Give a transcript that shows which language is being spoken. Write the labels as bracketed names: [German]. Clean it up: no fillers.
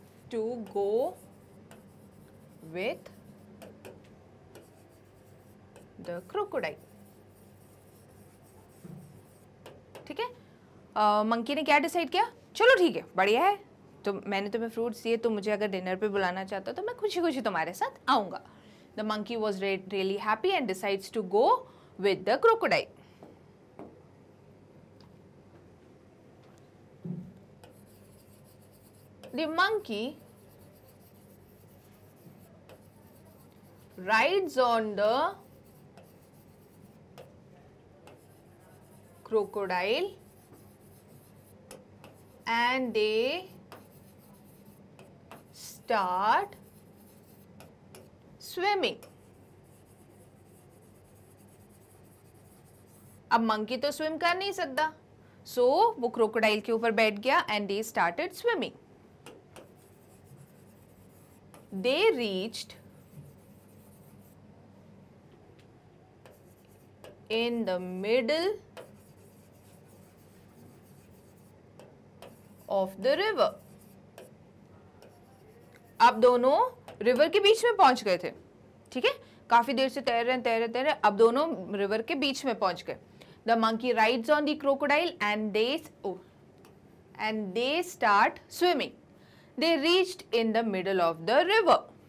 [English] to go with the crocodile. [Hindi] ठीक है, monkey ने क्या डिसाइड किया? चलो ठीक है, बढ़िया है, तो मैंने तुम्हें फ्रूट्स दिए, तुम मुझे अगर डिनर पे बुलाना चाहते हो तो मैं खुशी खुशी तुम्हारे साथ आऊंगा. [English] The monkey was really happy and decides to go with the crocodile. the monkey rides on the crocodile and they start swimming. [Hindi] अब मंकी तो स्विम कर नहीं सकता, सो वो क्रोकोडाइल के ऊपर बैठ गया [English] And they started swimming. They reached in the middle of the river. [Hindi] अब दोनों रिवर के बीच में पहुंच गए थे, ठीक है, काफी देर से तैर रहे. अब दोनों रिवर के बीच में पहुंच गए. [English] The monkey rides on the crocodile and they start swimming. They reached in the middle of the river.